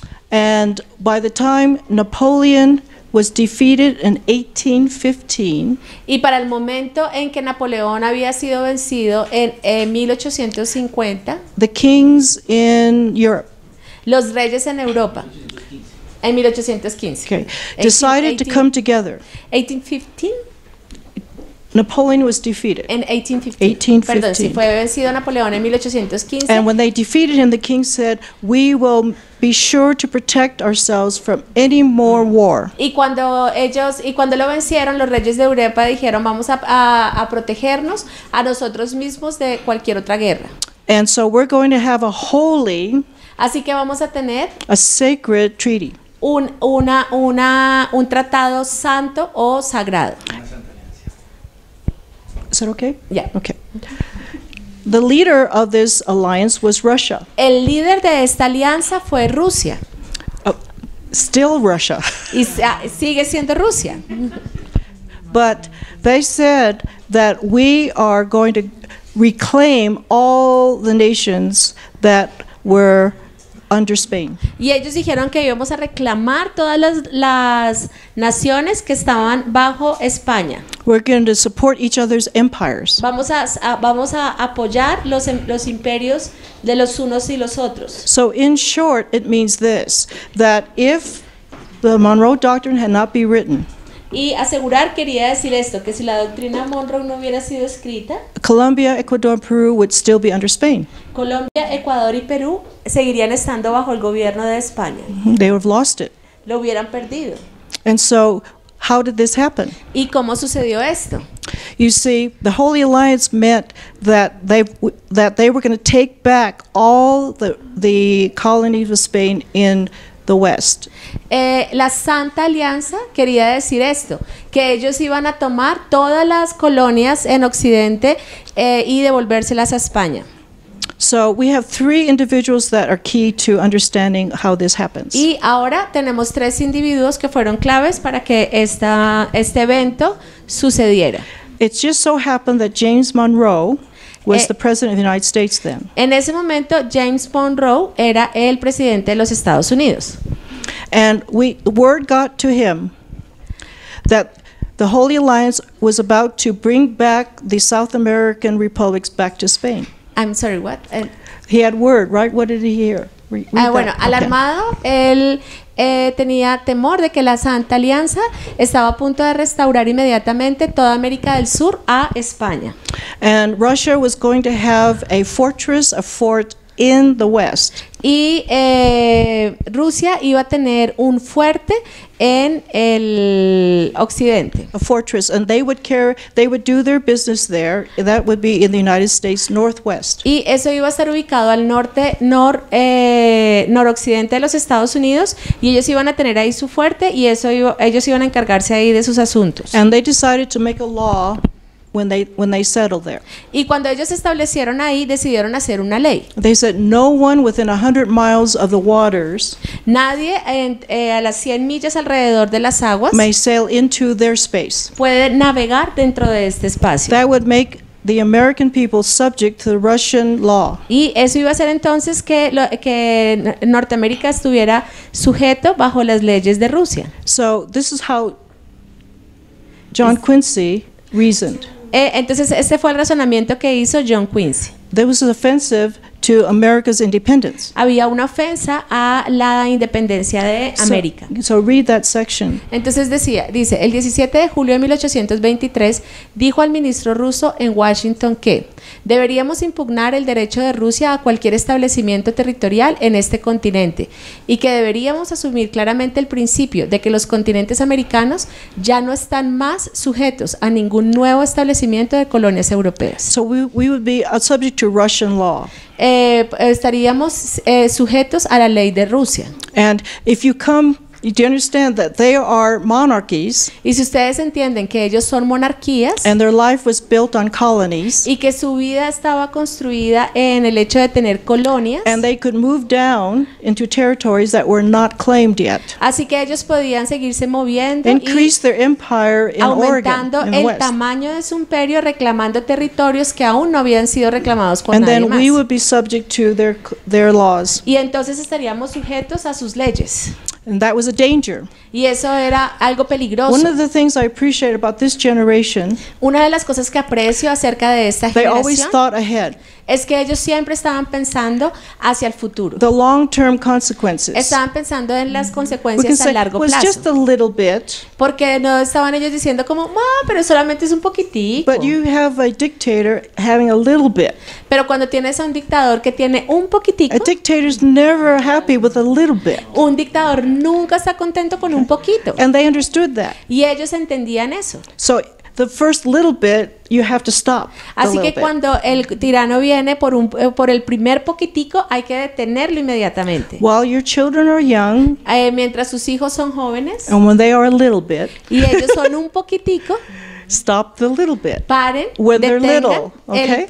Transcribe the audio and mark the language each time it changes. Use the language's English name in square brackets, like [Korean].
[English] And by the time Napoleon was defeated in 1815, [Spanish] y para el momento en que Napoleón había sido vencido en 1850, [English] the kings in Europe, [Spanish] los reyes en Europa, 1815, en 1815, [English] okay, decided to come together. 1815. Napoleon was defeated. In [Spanish] 1815. Perdón, si fue vencido Napoleón en 1815. [English] And when they defeated him, the king said, "We will be sure to protect ourselves from any more war." [Spanish] Y cuando lo vencieron, los reyes de Europa dijeron, "Vamos a protegernos a nosotros mismos de cualquier otra guerra." [English] And so we're going to have a holy, [Spanish] así que vamos a tener [English] a sacred treaty, [Spanish] un tratado santo o sagrado. [English] Is that okay? Yeah. Okay. The leader of this alliance was Russia. [Spanish] El líder de esta alianza fue Rusia. [English] Still Russia. [Spanish] Y sigue siendo Rusia. [English] But they said that we are going to reclaim all the nations that were under Spain. [Spanish] Y ellos dijeron que íbamos a reclamar todas las naciones que estaban bajo España. [English] We're going to support each other's empires. [Spanish] Vamos a apoyar los imperios de los unos y los otros. [English] So in short, it means this, that if the Monroe Doctrine had not been written, [Spanish] y asegurar quería decir esto, que si la doctrina Monroe no hubiera sido escrita, [English] Colombia, Ecuador, Peru would still be under Spain. [Spanish] Colombia, Ecuador y Perú seguirían estando bajo el gobierno de España. [English] They would have lost it. [Spanish] Lo hubieran perdido. [English] And so, how did this happen? [Spanish] ¿Y cómo sucedió esto? [English] You see, the Holy Alliance meant that they were going to take back all the colonies of Spain in the West. [Spanish] La Santa Alianza quería decir esto, que ellos iban a tomar todas las colonias en Occidente y devolvérselas a España. [English] So we have three individuals that are key to understanding how this happens. [Spanish] Y ahora tenemos tres individuos que fueron claves para que este evento sucediera. [English] It just so happened that James Monroe was the president of the United States then. [Spanish] En ese momento, James Monroe era el presidente de los Estados Unidos. [English] And word got to him that the Holy Alliance was about to bring back the South American republics back to Spain. I'm sorry, what? He had word, right? What did he hear? [Spanish] Bueno, alarmado, okay. Él tenía temor de que la Santa Alianza estaba a punto de restaurar inmediatamente toda América del Sur a España. [English] And Russia was going to have a fortress, a fort in the West. [Spanish] Y Rusia iba a tener un fuerte en el occidente. [English] A fortress, and they would do their business there. That would be in the United States Northwest. [Spanish] Y eso iba a estar ubicado al norte noroccidente de los Estados Unidos, y ellos iban a tener ahí su fuerte, y ellos iban a encargarse ahí de sus asuntos. [English] And they decided to make a law when they settled there. [Spanish] Y cuando ellos se establecieron ahí, decidieron hacer una ley. [English] They said no one within 100 miles of the waters, [Spanish] nadie a las 100 millas alrededor de las aguas, [English] may sail into their space. [Spanish] Puede navegar dentro de este espacio. [English] That would make the American people subject to the Russian law. [Spanish] Y eso iba a ser entonces que Norteamérica estuviera sujeto bajo las leyes de Rusia. [English] So this is how John Quincy reasoned. [Spanish] Entonces este fue el razonamiento que hizo John Quincy. [English] There was an offensive to America's independence. [Spanish] Había una ofensa a la independencia de América. [English] So read that section. [Spanish] Entonces decía, dice, el 17 de julio de 1823 dijo al ministro ruso en Washington que deberíamos impugnar el derecho de Rusia a cualquier establecimiento territorial en este continente y que deberíamos asumir claramente el principio de que los continentes americanos ya no están más sujetos a ningún nuevo establecimiento de colonias europeas. [English] So we would be subject to Russian law. [Spanish] Estaríamos sujetos a la ley de Rusia. [English] And if you come, do you understand that they are monarchies? [Spanish] Y si ustedes entienden que ellos son monarquías. [English] And their life was built on colonies. [Spanish] Y que su vida estaba construida en el hecho de tener colonias. [English] And they could move down into territories that were not claimed yet. [Spanish] Así que ellos podían seguirse moviendo. [English] Increase their empire in Oregon, [Spanish] aumentando el tamaño de su imperio, reclamando territorios que aún no habían sido reclamados por nadie más. [English] And then we would be subject to their laws. [Spanish] Y entonces estaríamos sujetos a sus leyes. [English] And that was a danger. [Spanish] Y eso era algo peligroso. [English] One of the things I appreciate about this generation, [Spanish] una de las cosas que aprecio acerca de esta [English] generación, they always thought ahead. [Spanish] Es que ellos siempre estaban pensando hacia el futuro. [English] The long-term consequences. [Spanish] Estaban pensando en las consecuencias a largo plazo. [English] Was just a little bit. [Spanish] Porque no estaban ellos diciendo como, pero solamente es un poquitico. [English] But you have a dictator having a little bit. [Spanish] Pero cuando tienes a un dictador que tiene un poquitico. [English] A dictator's never happy with a little bit. [Spanish] Un dictador nunca está contento con un poquito. [English] And they understood that. [Spanish] Y ellos entendían eso. [English] So the first little bit, you have to stop. [Spanish] Así que cuando el tirano viene por el primer poquitico, hay que detenerlo inmediatamente. [English] While your children are young, [Spanish] mientras sus hijos son jóvenes, [English] and when they are a little bit, [Spanish] y ellos son un poquitico, [English] stop the little bit. [Spanish] Paren, [English] when they're little, okay?